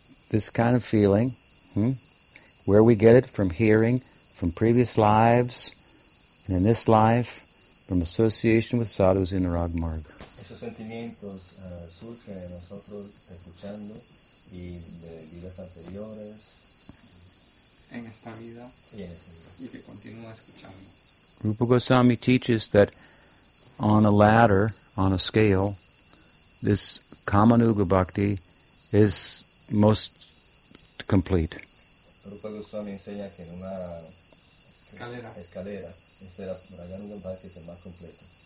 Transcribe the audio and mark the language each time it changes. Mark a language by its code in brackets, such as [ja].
[en] this kind of feeling, where we get it from hearing, from previous lives, and in this life, from association with sadhus in Ragmarga. [es] Esos sentimientos surgen en nosotros escuchando y de vidas anteriores. En esta vida. Y que continúa escuchando. [en] Rupa Goswami teaches that on a ladder, on a scale, this Kamanuga Bhakti is most complete. [es] Rupa Goswami enseña que en una escalera, este Raganuga Bhakti es el más completo.